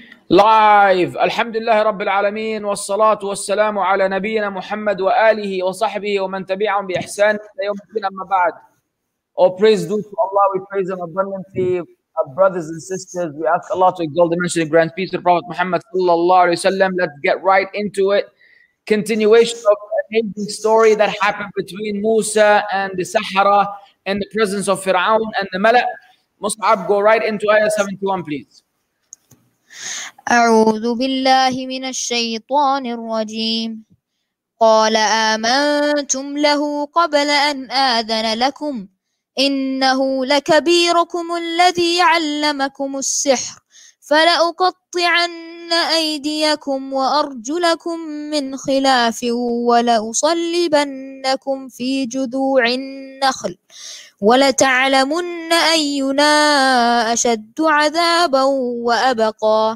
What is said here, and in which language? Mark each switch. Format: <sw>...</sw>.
<ar>لايف، الحمد لله رب العالمين، والصلاة والسلام على نبينا محمد وآله وصحبه ومن تبعهم بإحسان إلى يوم الدين. أما بعد،</ar> <en>all praise due to Allah, we praise Him abundantly. Our brothers and sisters, we ask Allah to exalt the mention and grant peace to the Prophet Muhammad sallallahu alayhi wa sallam. Let's get right into it. Continuation of an amazing story that happened between Musa and the Sahara in the presence of Fir'aun and the Mala. Mus'ab, go right into ayah 71, please.</en> <ar>أعوذ بالله من الشيطان الرجيم. قال آمنتم له قبل أن آذن لكم، إنه لكبيركم الذي علمكم السحر، فلأقطعن أيديكم وأرجلكم من خلاف ولأصلبنكم في جذوع النخل ولتعلمن أينا أشد عذابا وأبقى.</ar>